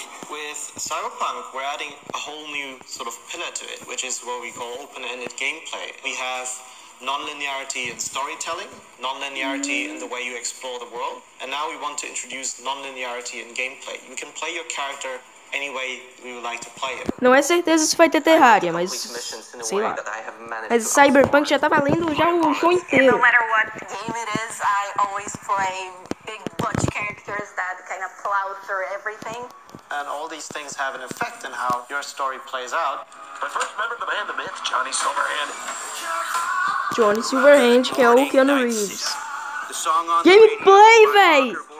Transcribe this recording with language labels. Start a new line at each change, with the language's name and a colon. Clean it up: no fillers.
English: With Cyberpunk, we're adding a whole new sort of pillar to it, which is what we call open-ended gameplay. We have non-linearity in storytelling, non-linearity in the way you explore the world, and now we want to introduce non-linearity in gameplay. You can play your character any way we would like to play it.
Portuguese: Não é certeza se vai ter Terraria, mas sei lá. Mas Cyberpunk já tá valendo já o show inteiro.
English: No matter what game it is, I always play big butch characters that kind cloud through everything. And all these things have an effect on how your story plays out. I first remember the man, the myth, Johnny Silverhand.
Portuguese: Johnny Silverhand, que é o Keanu Reeves. Gameplay, véi!